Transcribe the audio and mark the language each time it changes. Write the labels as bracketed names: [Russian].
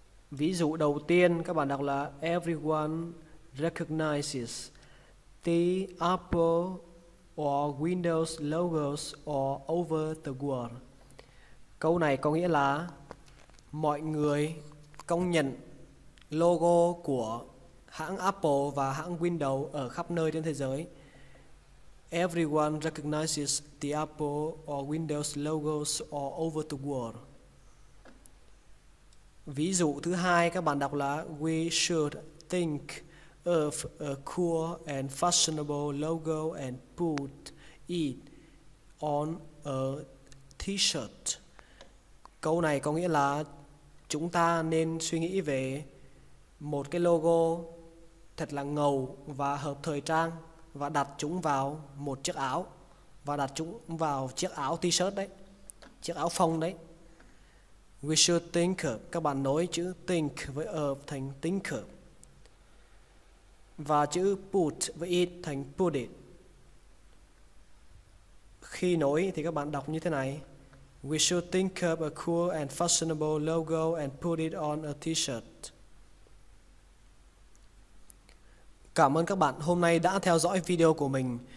[Vietnamese] Ví dụ đầu tiên các bạn đọc là [English] everyone recognizes the Apple or Windows logos all over the world. [Vietnamese] Câu này có nghĩa là mọi người công nhận logo của hãng Apple và hãng Windows ở khắp nơi trên thế giới. [English] Everyone recognizes the Apple or Windows logos all over the world. [Vietnamese] Ví dụ thứ hai các bạn đọc là [English] we should think of a cool and fashionable logo and put it on a t-shirt. [Vietnamese] Câu này có nghĩa là chúng ta nên suy nghĩ về một cái logo thật là ngầu và hợp thời trang và đặt chúng vào một chiếc áo và đặt chúng vào chiếc áo t-shirt đấy, chiếc áo phông đấy. [English] We should think of, [Vietnamese] các bạn nối chữ think với of thành thinker. Và chữ put với it thành put it. Khi nối thì các bạn đọc như thế này. [English] We should think of a cool and fashionable logo and put it on a t-shirt. [Vietnamese] Cảm ơn các bạn hôm nay đã theo dõi video của mình.